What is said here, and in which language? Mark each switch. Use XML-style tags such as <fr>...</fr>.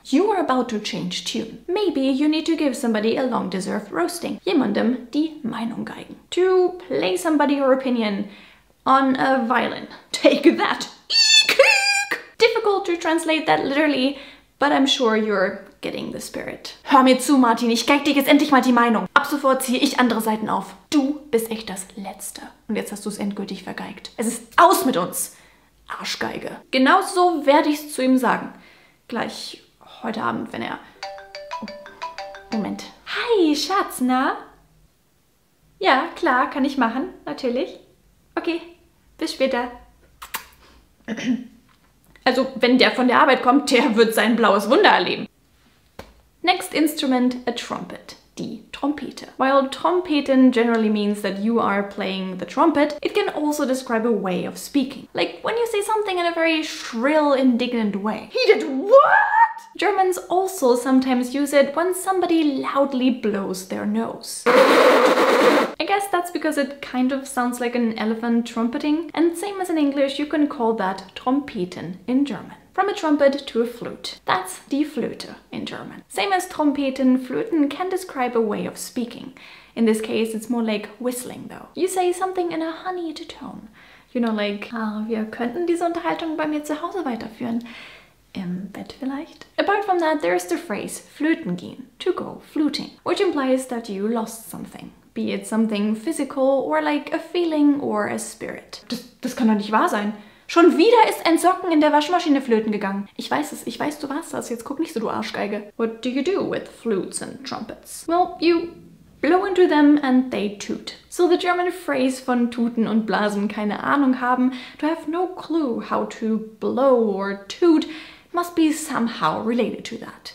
<en>You are about to change tune. Maybe you need to give somebody a long-deserved roasting,</en> <de>jemandem die Meinung geigen,</de> <en>to play somebody your opinion on a violin. Take that! Eek! Difficult to translate that literally, but I'm sure you're getting the spirit.</en> <de>Hör mir zu, Martin, ich geig dir jetzt endlich mal die Meinung. Ab sofort ziehe ich andere Saiten auf. Du bist echt das Letzte. Und jetzt hast du es endgültig vergeigt. Es ist aus mit uns, Arschgeige. Genau so werde ich es zu ihm sagen. Gleich heute Abend, wenn er... Moment. Hi, Schatz, na? Ja, klar, kann ich machen, natürlich. Okay, bis später. Also, wenn der von der Arbeit kommt, der wird sein blaues Wunder erleben.</de> <en>Next instrument, a trumpet, die Trompete. While trompeten generally means that you are playing the trumpet, it can also describe a way of speaking. Like when you say something in a very shrill, indignant way. He did what? Germans also sometimes use it when somebody loudly blows their nose. I guess that's because it kind of sounds like an elephant trumpeting. And same as in English, you can call that trompeten in German. From a trumpet to a flute. That's die Flöte in German. Same as trompeten, fluten can describe a way of speaking. In this case, it's more like whistling, though. You say something in a honeyed tone. You know, like,</en> <de>ah, wir könnten diese Unterhaltung bei mir zu Hause weiterführen. Im Bett vielleicht?</de> <en>Apart from that, there's the phrase flöten gehen, to go fluting, which implies that you lost something. Be it something physical or like a feeling or a spirit.</en> <de>Das kann doch nicht wahr sein. Schon wieder ist ein Socken in der Waschmaschine flöten gegangen. Ich weiß, du warst das. Jetzt guck nicht so, du Arschgeige.</de> <en>What do you do with flutes and trumpets? Well, you blow into them and they toot. So the German phrase</en> <de>von tuten und blasen keine Ahnung haben,</de> <en>to have no clue how to blow or toot, must be somehow related to that.</en>